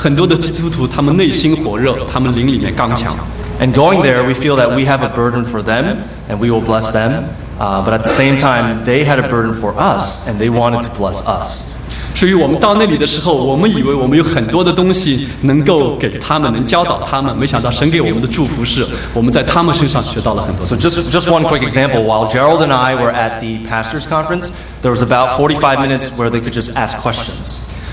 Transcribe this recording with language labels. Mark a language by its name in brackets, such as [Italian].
[Chinese] 另外一点，我们以为当地的很多的基督徒，他们的灵命都很浅，他们的生命很弱，但是我们很欣慰地发现，很多的基督徒他们内心火热，他们灵里面刚强。 [English] And going there, we feel that we have a burden for them, and we will bless them. But at the same time, they had a burden for us, and they wanted to bless us. [Chinese] 所以我们到那里的时候，我们以为我们有很多的东西能够给他们，能教导他们。没想到神给我们的祝福是，我们在他们身上学到了很多。 [English] So just one quick example. While Gerald and I were at the pastors' conference, there was about 45 minutes where they could just ask questions.